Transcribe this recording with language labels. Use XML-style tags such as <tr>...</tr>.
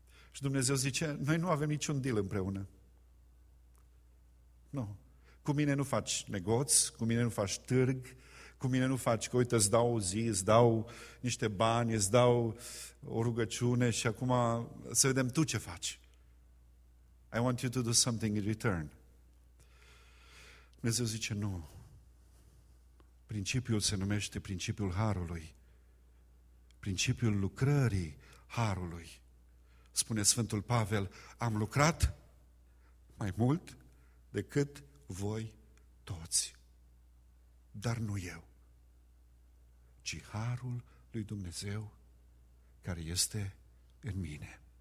<ro>Și Dumnezeu zice, noi nu avem niciun deal împreună. Nu. Cu mine nu faci negoț, cu mine nu faci târg, cu mine nu faci că, uite, îți dau o zi, îți dau niște bani, îți dau o rugăciune și acum să vedem tu ce faci.</ro> <en>I want you to do something in return.</en> <ro>Dumnezeu zice, nu. Principiul se numește principiul Harului. Principiul lucrării Harului. Spune Sfântul Pavel, am lucrat mai mult decât voi toți, dar nu eu, ci Harul lui Dumnezeu care este în mine.</ro>